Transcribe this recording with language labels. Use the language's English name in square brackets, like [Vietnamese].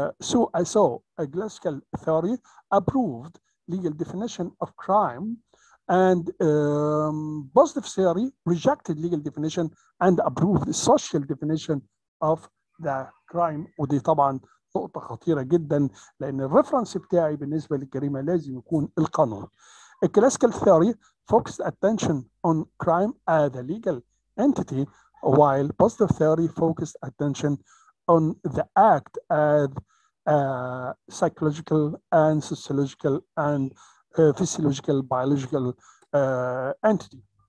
[English] So a classical theory approved legal definition of crime and positive theory rejected legal definition and approved the social definition of the crime. [Arabic] ودي طبعا نقطة خطيرة جدا، لأن الرفرنس بتاعي بالنسبة للجريمة لازم يكون القانون. [English] A classical theory focused attention on crime as a legal entity, while positive theory focused attention on the act as psychological and sociological and physiological biological entity.